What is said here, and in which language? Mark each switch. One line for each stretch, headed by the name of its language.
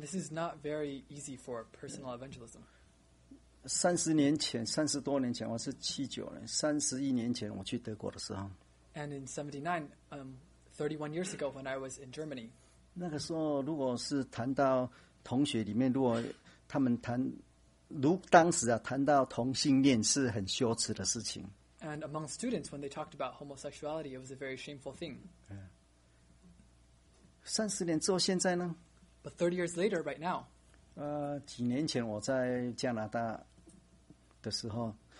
English: this is not very easy for personal evangelism.
Chinese: 三十年前，三十多年前，我是七九年，三十一年前我去德国的时候。
English: And in 79, 31 years ago when I was in Germany.
Chinese: 那个时候如果是谈到同学里面，如果他们谈，如当时啊谈到同性恋是很羞耻的事情。
English: And among students, when they talked about homosexuality, it was a very shameful thing.
Chinese: 30年之后现在呢?
English: But 30 years later, right now.
Chinese: 几年前我在加拿大的时候。